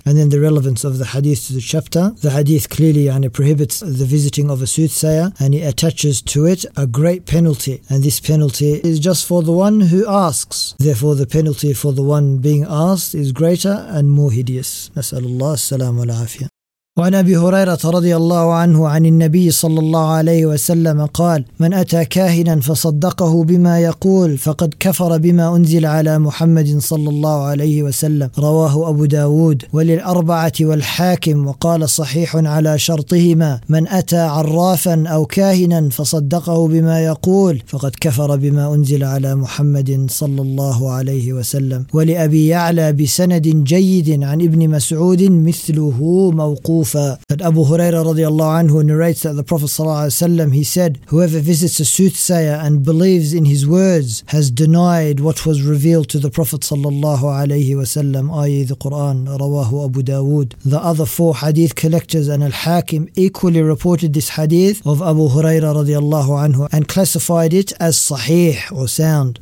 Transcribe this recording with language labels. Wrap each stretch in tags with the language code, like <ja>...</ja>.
<en>And then the relevance of the hadith to the chapter. The hadith clearly prohibits the visiting of a soothsayer, and he attaches to it a great penalty. And this penalty is just for the one who asks. Therefore the penalty for the one being asked is greater and more hideous. Nas'alullah as-salamu al-afiyah.</en> <ar>وعن أبي هريرة رضي الله عنه عن النبي صلى الله عليه وسلم قال من أتى كاهنا فصدقه بما يقول فقد كفر بما أنزل على محمد صلى الله عليه وسلم. رواه أبو داود وللأربعة والحاكم. وقال صحيح على شرطهما من أتى عرافا أو كاهنا فصدقه بما يقول فقد كفر بما أنزل على محمد صلى الله عليه وسلم. ولأبي يعلى بسند جيد عن ابن مسعود مثله موقوف.</ar> <en>Khulafa, that Abu Huraira radiallahu anhu narrates that the Prophet sallallahu alayhi wa sallam, he said, whoever visits a soothsayer and believes in his words has denied what was revealed to the Prophet sallallahu alayhi wa sallam, i.e. the Quran, rawahu Abu Dawood. The other four hadith collectors and Al-Hakim equally reported this hadith of Abu Huraira radiallahu anhu and classified it as sahih or sound.</en>